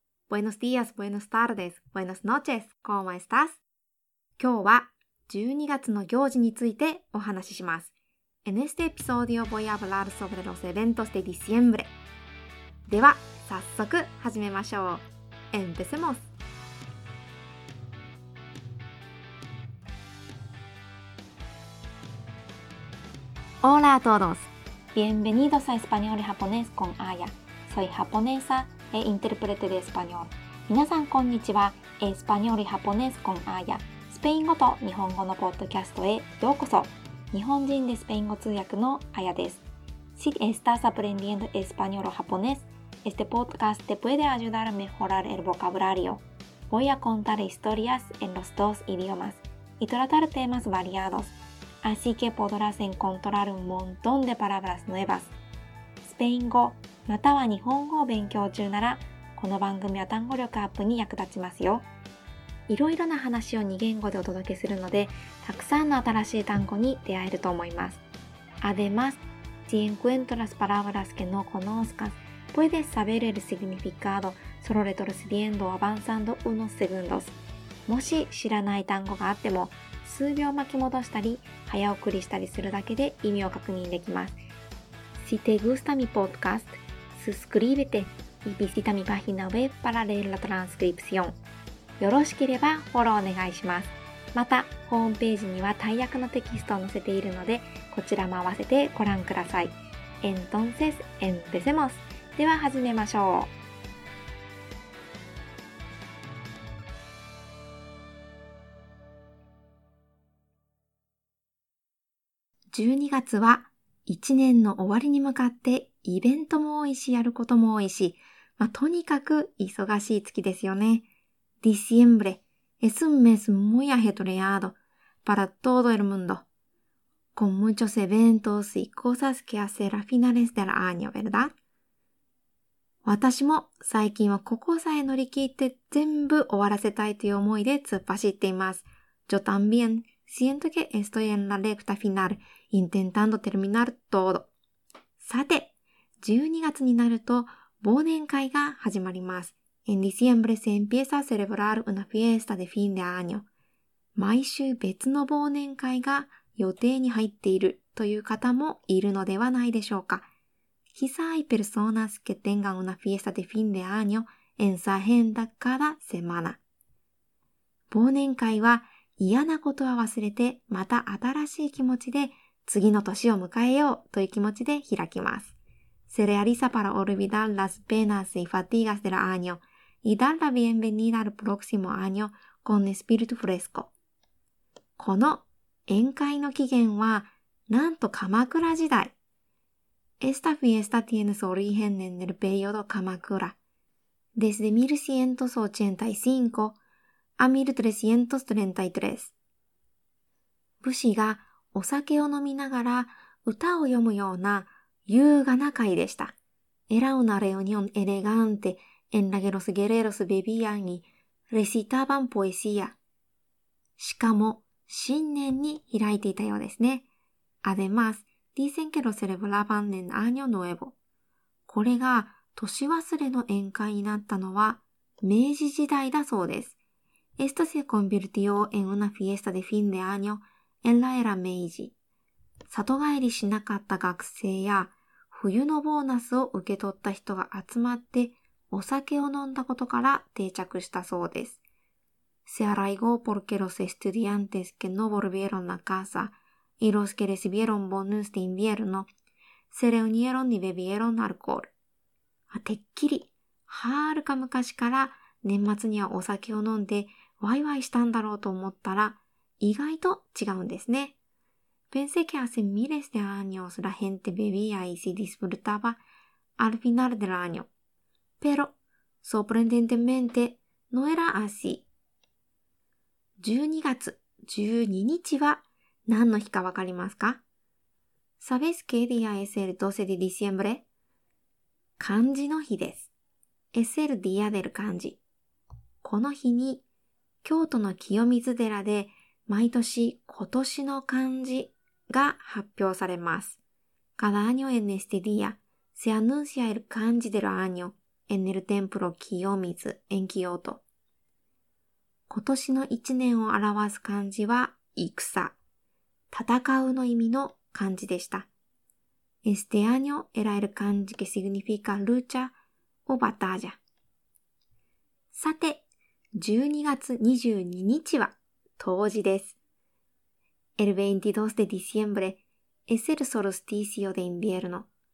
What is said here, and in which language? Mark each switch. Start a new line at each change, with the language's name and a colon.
Spanish: Buenos días, buenas tardes, buenas noches, ¿cómo estás?
Japanese: 今日は12月の行事についてお話しします。
Spanish: En este episodio voy a hablar sobre los eventos de diciembre.
Japanese: では、早速始めましょう。
Spanish: Empecemos! Hola a todos! Bienvenidos a Español y Japonés con Aya. Soy japonesa e intérprete de español.
Japanese: 皆さんこんにちは。
Spanish: Español y Japonés con Aya.
Japanese: スペイン語と日本語のポッドキャストへようこそ。日本人でスペイン語通訳の Aya です。
Spanish: Si estás aprendiendo español o japonés, este podcast te puede ayudar a mejorar el vocabulario. Voy a contar historias en los dos idiomas y tratar temas variados. Así que podrás encontrar un montón de palabras nuevas.
Japanese: スペイン語または日本語を勉強中なら、この番組は単語力アップに役立ちますよ。いろいろな話を2言語でお届けするので、たくさんの新しい単語に出会えると思います。
Spanish: Además, si encuentras palabras que no conozcas, puedes saber el significado solo retrocediendo o avanzando unos segundos.
Japanese: もし知らない単語があっても、数秒巻き戻したり、早送りしたりするだけで意味を確認できます。
Spanish: Si te gusta mi podcast, suscríbete y visita mi página web para leer la transcripción.
Japanese: よろしければフォローお願いします。また、ホームページには大訳のテキストを載せているので、こちらも合わせてご覧ください。
Spanish: Entonces, empecemos!
Japanese: では始めましょう。 12月は一年の終わりに向かってイベントも多いしやることも多いし、まあ、とにかく忙しい月ですよね。
Spanish: Diciembre es un mes muy ajetreado para todo el mundo, con muchos eventos y cosas que hacer a finales del año, ¿verdad?
Japanese: 私も最近はここさえ乗り切って全部終わらせたいという思いで突っ走っています。
Spanish: Yo también siento que estoy en la recta final. Intentando terminar todo.
Japanese: さて、12月になると忘年会が始まります。
Spanish: En diciembre se empieza a celebrar una fiesta de fin de año.
Japanese: 毎週別の忘年会が予定に入っているという方もいるのではないでしょうか。
Spanish: Quizá hay personas que tengan una fiesta de fin de año en su agenda cada semana.
Japanese: 忘年会は嫌なことは忘れて、また新しい気持ちで次の年を迎えようという気持ちで開きます。
Spanish: Se realiza para olvidar las penas y fatigas del año y dar la bienvenida al próximo año con espíritu fresco.
Japanese: この宴会の起源は、なんと鎌倉時代。
Spanish: Esta fiesta tiene su origen en el periodo 鎌倉。 Desde 1185 a 1333。
Japanese: 武士がお酒を飲みながら歌を読むような優雅な会でした。
Spanish: Era una reunión elegante en la que los guerreros bebían y recitaban poesía.
Japanese: しかも、新年に開いていたようですね。
Spanish: Además, dicen que lo celebraban en año nuevo.
Japanese: これが年忘れの宴会になったのは明治時代だそうです。
Spanish: Esto se convirtió en una fiesta de fin de año. エンラエラ明治。
Japanese: 里帰りしなかった学生や冬のボーナスを受け取った人が集まってお酒を飲んだことから定着したそうです。
Spanish: Se arraigó porque los estudiantes que no volvieron a casa y los que recibieron bonus de invierno se reunieron y bebieron alcohol.
Japanese: てっきり、はるか昔から年末にはお酒を飲んでワイワイしたんだろうと思ったら意外と違うんですね。
Spanish: Pensé que hace miles de años la gente bebía y se disfrutaba al final del año. Pero, sorprendentemente, no era así.
Japanese: 12月12日は何の日かわかりますか?
Spanish: ¿Sabes qué día es el 12 de diciembre?
Japanese: 漢字の日です。
Spanish: Es el día del 漢字。
Japanese: この日に、京都の清水寺で毎年今年の漢字が発表されます。
Spanish: Cada año en este día se anuncia el kanji del año en el templo Kiyomizu en Kyoto.
Japanese: 今年の一年を表す漢字は戦、戦うの意味の漢字でした。
Spanish: Este año era el kanji que significa lucha o batalla。
Japanese: さて、12月22日は冬至です。
Spanish: El 22 de diciembre es el solsticio de invierno。